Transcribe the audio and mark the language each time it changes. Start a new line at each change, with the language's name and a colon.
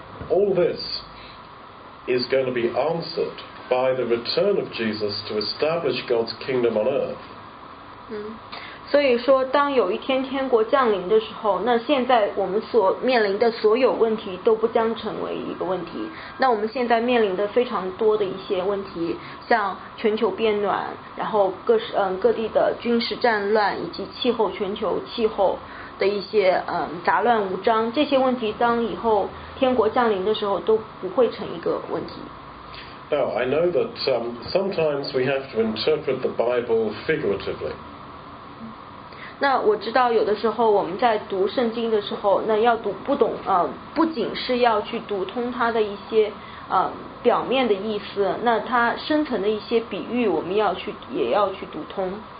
English: All this is going to be answered by the return of Jesus to establish God's kingdom on earth.
Chinese: 所以说当有一天天国降临的时候，那现在我们所面临的所有问题都不将成为一个问题。那我们现在面临的非常多的一些问题，像全球变暖，然后各地的军事战乱，以及全球气候的一些杂乱无章，这些问题当以后天国降临的时候都不会成一个问题。
English: Now, I know that sometimes we have to interpret the Bible figuratively.
Chinese: 那我知道有的时候我们在读圣经的时候，那要读不懂不仅是要去读通它的一些表面的意思，那它深层的一些比喻我们也要去读通。